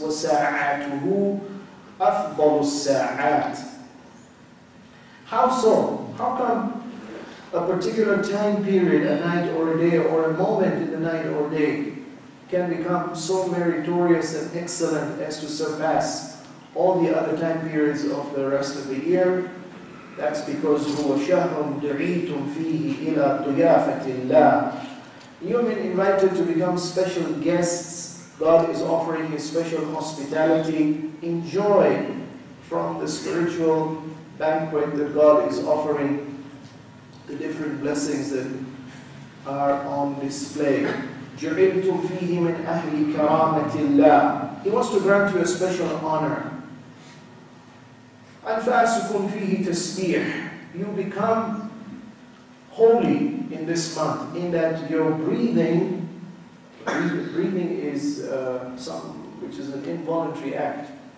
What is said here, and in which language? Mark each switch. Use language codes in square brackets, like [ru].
[ar] وَسَاعَاتُهُ أَفْضَلُ السَّاعَاتِ. [en] How so? How come a particular time period, a night or a day, or a moment in the night or day, can become so meritorious and excellent as to surpass all the other time periods of the rest of the year? That's because [ar] هو شهر دعيتم فيه إلى ضيافة الله. [en] You've been invited to become special guests. God is offering His special hospitality. Enjoy from the spiritual banquet that God is offering, the different blessings that are on display. [ar] جعلتم فيه من أهل كرامة الله. [en] He wants to grant you a special honor. [ar] أنفاسكم فيه تسبيح. [en] You become holy in this month, in that your breathing is something which is an involuntary act.